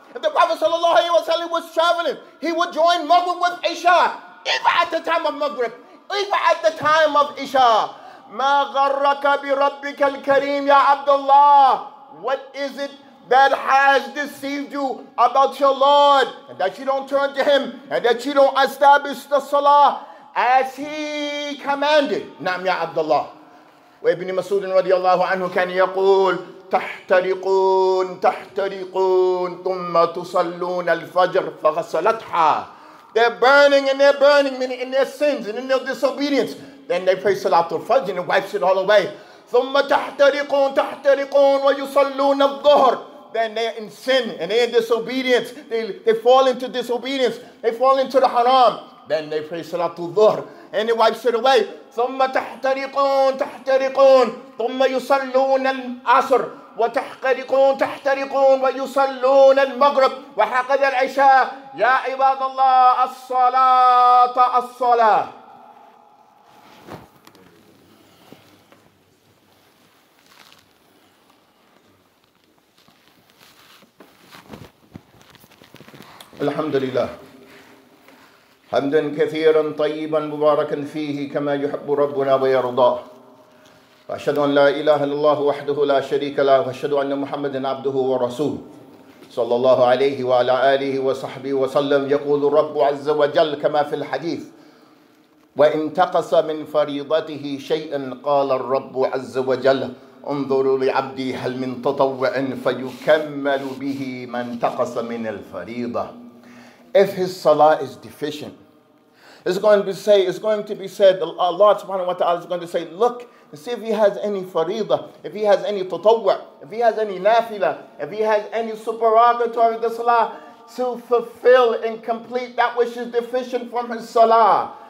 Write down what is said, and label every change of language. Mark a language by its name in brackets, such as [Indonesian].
[English] If the Prophet sallallahu alayhi wa sallam was traveling, he would join Maghrib with Isha, even at the time of Maghrib, even at the time of Isha. [Arabic] مَا غَرَّكَ بِرَبِّكَ الْكَرِيمِ يَا عَبْدُ اللَّهِ. [English] What is it that has deceived you about your Lord, and that you don't turn to him, and that you don't establish the salah as he commanded? [Arabic] نعم يا عبد الله. وَإِبْنِ مَسُودٍ رَضِيَ اللَّهُ عَنْهُ كَانْ يَقُولُ تحترقون ثم تصلون الفجر فغسلتها. [English] They're burning, meaning in their sins and in their disobedience. Then they pray Salatul Fajr and it wipes it all away. [Arabic] ثم تحترقون ويصلون الظهر. [English] Then they're in sin and they're in disobedience. They fall into disobedience. They fall into the haram. Then they pray Salatul Dhuhr and it wipes it away. [Arabic] ثم تحترقون ثم يصلون العصر. وتحترقون ويصلون المغرب وحقد العشاء. يا عباد الله الصلاة الصلاة. الحمد لله حمدا كثيرا طيبا مباركا فيه كما يحب ربنا ويرضاه. وأشهد أن لا إله إلا الله وحده لا شريك له وأشهد أن محمدا عبده ورسوله صلى الله عليه وعلى آله وصحبه وسلم. يقول الرب عز وجل كما في الحديث وإن تقص من فريضته شيئا قال الرب عز وجل انظروا لعبدي هل من تطوع فيكمل به من تقص من الفريضة. [English] If his salah is deficient, it's going to be said, Allah subhanahu wa ta'ala is going to say, look and see if he has any faridah, if he has any tatawwa', if he has any nafila, if he has any supererogatory of the salah to fulfill and complete that which is deficient from his salah.